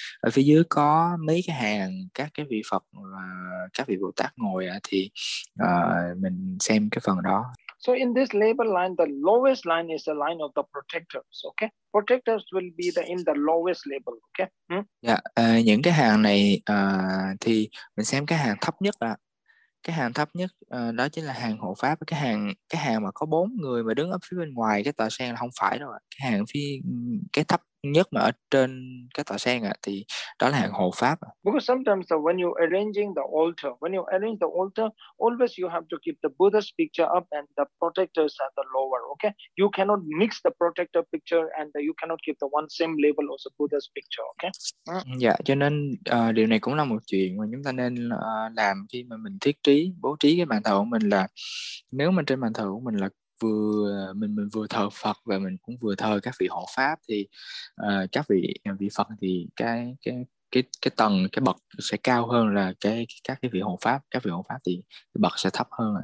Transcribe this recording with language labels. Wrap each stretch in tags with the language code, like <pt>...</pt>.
<vi>Ở phía dưới có mấy cái hàng các cái vị Phật và các vị Bồ Tát ngồi ạ, thì mình xem cái phần đó.</vi> <en>So in this label line, the lowest line is the line of the protectors, okay? Protectors will be the in the lowest label, okay?</en> <vi>Dạ, những cái hàng này thì mình xem cái hàng thấp nhất ạ. Cái hàng thấp nhất đó chính là hàng hộ pháp, cái hàng mà có bốn người mà đứng ở phía bên ngoài cái tòa sen là không phải đâu ạ. Cái hàng phía cái thấp nhất mà ở trên cái tòa sen ạ, thì đó là hàng hộ pháp.</vi> <en>Because sometimes when you arranging the altar, when you arrange the altar, always you have to keep the Buddha's picture up and the protectors at the lower, okay? You cannot mix the protector picture and you cannot keep the one same label as the Buddha's picture, okay?</en> <vi>Dạ, cho nên điều này cũng là một chuyện mà chúng ta nên làm khi mà mình thiết trí, bố trí cái bàn thờ của mình, là nếu mà trên bàn thờ của mình là mình vừa thờ Phật và mình cũng vừa thờ các vị hộ pháp, thì các vị Phật thì cái tầng cái bậc sẽ cao hơn là các cái vị hộ pháp, các vị hộ pháp thì bậc sẽ thấp hơn.</vi>